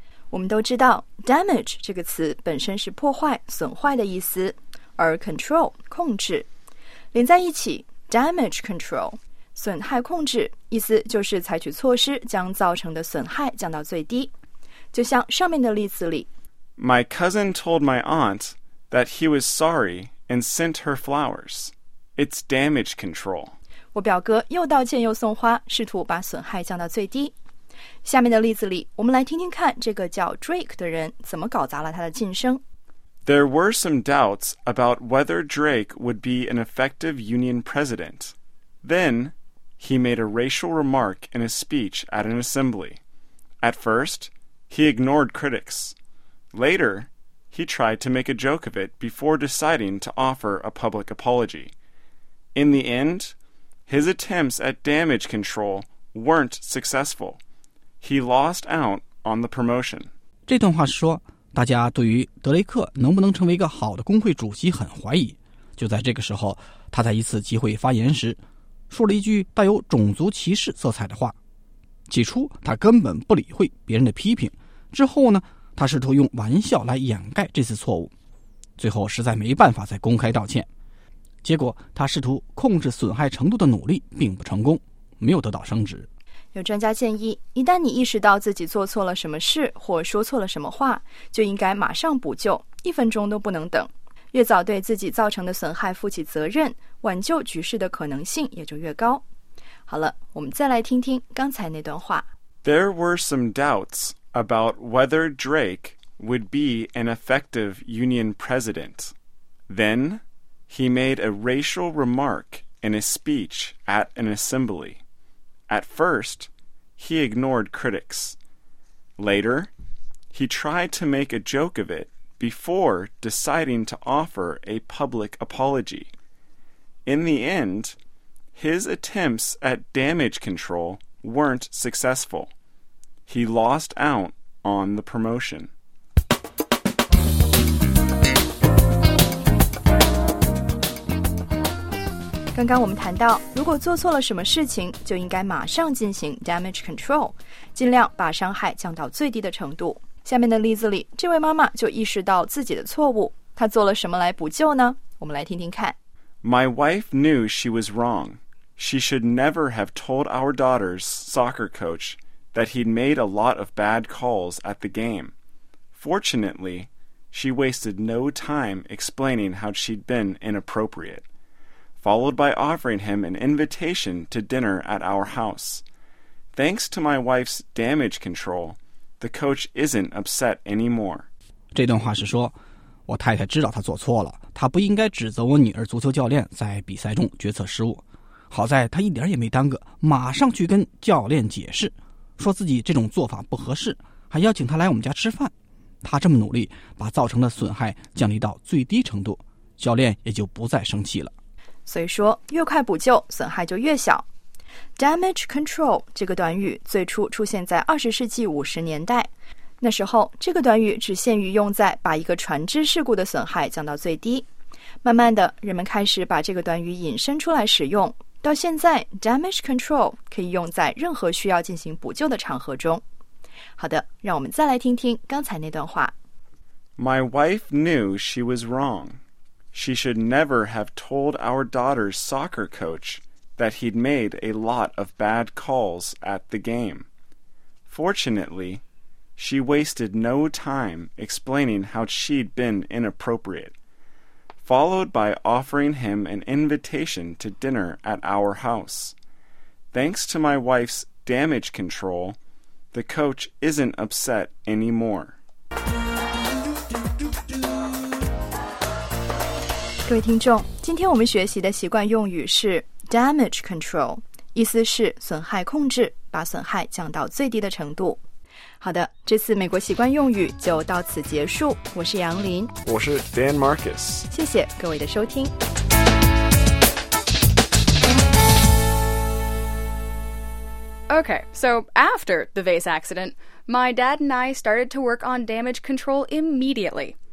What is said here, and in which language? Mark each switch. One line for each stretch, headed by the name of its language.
Chinese: 我们都知道 damage 这个词本身是破坏、损坏的意思，而 control 控制连在一起 damage control 损害控制，意思就是采取措施将造成的损害降到最低。就像上面的例子里，
English: My cousin told my aunt that he was sorry and sent her flowers. It's damage control.
Chinese: 我表哥又道歉又送花，试图把损害降到最低。下面的例子里，我们来听听看这个叫 Drake 的人怎么搞砸了他的晋升。
English: There were some doubts about whether Drake would be an effective union president. Then, he made a racial remark in a speech at an assembly. At first, he ignored critics. Later, he tried to make a joke of it before deciding to offer a public apology. In the end, his attempts at damage control weren't successful. He lost out on the promotion.
Chinese: 这段话说大家对于德雷克能不能成为一个好的工会主席很怀疑。就在这个时候，他在一次集会发言时说了一句带有种族歧视色彩的话。起初他根本不理会别人的批评，之后呢，他试图用玩笑来掩盖这次错误。最后实在没办法再公开道歉。结果他试图控制损害程度的努力并不成功，没有得到升职。有专家建议，一旦你意识到自己做错了什么事或说错了什么话，就应该马上补救，一分钟都不能等。越早对自己造成的损害负起责任，挽救局势的可能性也就越高。好了，我们再来听听刚才那段话。
English: There were some doubts about whether Drake would be an effective union president. Then, he made a racial remark in a speech at an assembly. At first, he ignored critics. Later, he tried to make a joke of it before deciding to offer a public apology. In the end,His attempts at damage control weren't successful. He lost out on the promotion.
Chinese: 刚刚我们谈到，如果做错了什么事情，就应该马上进行 damage control， 尽量把伤害降到最低的程度。下面的例子里，这位妈妈就意识到自己的错误，她做了什么来补救呢？我们来听听看。
English: My wife knew she was wrong. She should never have told our daughter's soccer coach that he'd made a lot of bad calls at the game. Fortunately, she wasted no time explaining how she'd been inappropriate, followed by offering him an invitation to dinner at our house. Thanks to my wife's damage control, the coach isn't upset anymore.
Chinese: 这段话是说，我太太知道她做错了，她不应该指责我女儿足球教练在比赛中决策失误。好在他一点也没耽搁，马上去跟教练解释，说自己这种做法不合适，还邀请他来我们家吃饭。他这么努力，把造成的损害降低到最低程度，教练也就不再生气了。所以说，越快补救，损害就越小。Damage control 这个短语最初出现在20世纪50年代，那时候这个短语只限于用在把一个船只事故的损害降到最低。慢慢的，人们开始把这个短语引申出来使用。到现在 ,damage control 可以用在任何需要进行补救的场合中。好的，让我们再来听听刚才那段话。
English: My wife knew she was wrong. She should never have told our daughter's soccer coach that he'd made a lot of bad calls at the game. Fortunately, she wasted no time explaining how she'd been inappropriate. Followed by offering him an invitation to dinner at our house. Thanks to my wife's damage control, the coach isn't upset anymore.
Chinese: 各位听众，今天我们学习的习惯用语是 damage control， 意思是损害控制，把损害降到最低的程度。好的，这次美国习惯用语就到此结束。我是杨林，我是 Dan Marcus，谢谢各位的收听。
English: Okay, so after the vase accident, my dad and I started to work on damage control immediately.